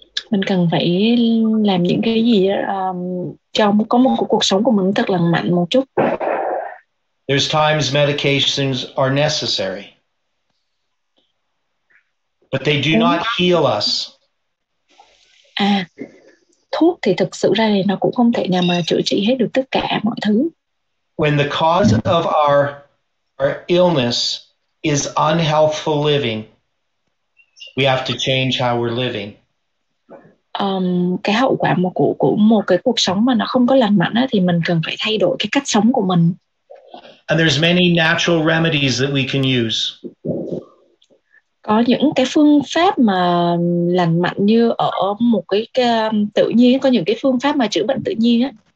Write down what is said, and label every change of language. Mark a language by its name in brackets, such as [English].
[Vietnamese] Mình cần phải làm những cái gì cho có một cuộc sống của mình thật lành mạnh một chút. [English] There's times medications are necessary. But they do not heal us. [Vietnamese] À, thuốc thì thực sự ra thì nó cũng không thể nào mà chữa trị hết được tất cả mọi thứ. [English] When the cause of our illness is unhealthful living, we have to change how we're living. [Vietnamese] Cái hậu quả của một cái cuộc sống mà nó không có lành mạnh á, thì mình cần phải thay đổi cái cách sống của mình. [English] And there's many natural remedies that we can use. [Vietnamese] Có những cái phương pháp mà lành mạnh như ở một cái tự nhiên, có những cái phương pháp mà chữa bệnh tự nhiên á.